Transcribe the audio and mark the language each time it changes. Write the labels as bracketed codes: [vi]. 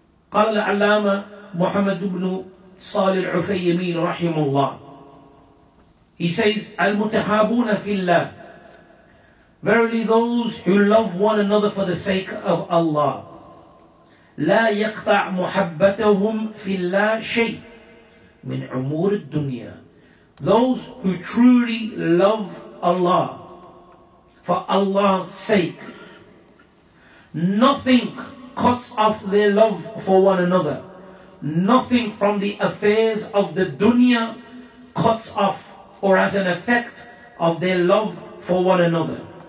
[ar] قال العلامة محمد بن صالح العثيمين رحمه الله. [en] He says, [ar] المتحابون في الله. [en] Verily those who love one another for the sake of Allah. [ar] لا يقطع محبتهم في الله شيء من عمور الدنيا. [en] Those who truly love Allah for Allah's sake. Nothing cuts off their love for one another. Nothing from the affairs of the dunya cuts off or has an effect of their love for one another.